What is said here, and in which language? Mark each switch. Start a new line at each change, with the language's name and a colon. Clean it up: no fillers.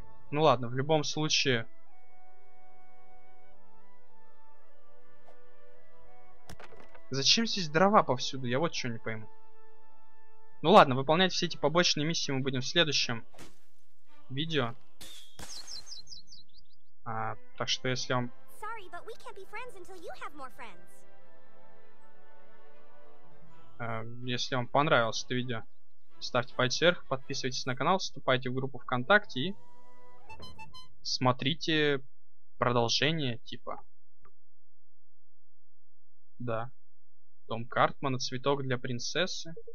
Russian: Ну ладно, в любом случае... Зачем здесь дрова повсюду? Я вот чего не пойму. Ну ладно, выполнять все эти побочные миссии мы будем в следующем видео. А, так что если вам...
English: Sorry, but we can't be friends until you have more friends.
Russian: Если вам понравилось это видео, Ставьте пальцы вверх, подписывайтесь на канал, вступайте в группу ВКонтакте и смотрите продолжение, типа. Да. Дом Картмана, цветок для принцессы.